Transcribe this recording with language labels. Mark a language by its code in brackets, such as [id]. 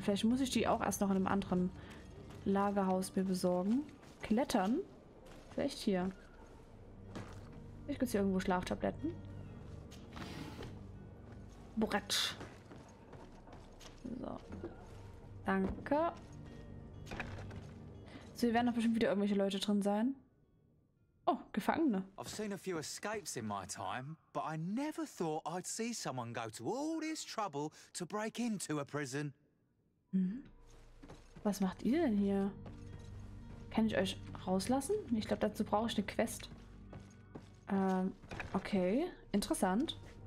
[de] Vielleicht muss ich die auch erst noch in einem anderen Lagerhaus mir besorgen. Klettern? Vielleicht hier. Vielleicht gibt es hier irgendwo Schlaftabletten. Brett. So. Danke. So, hier werden doch bestimmt wieder irgendwelche Leute drin sein. Oh, Gefangene. [en] I've seen a few escapes in my time, but I never thought I'd see someone go to all this trouble to break into a prison. [de] Hm. Was macht ihr denn hier? Kann ich euch rauslassen? Ich glaube, dazu brauche ich eine Quest. Okay. Interessant.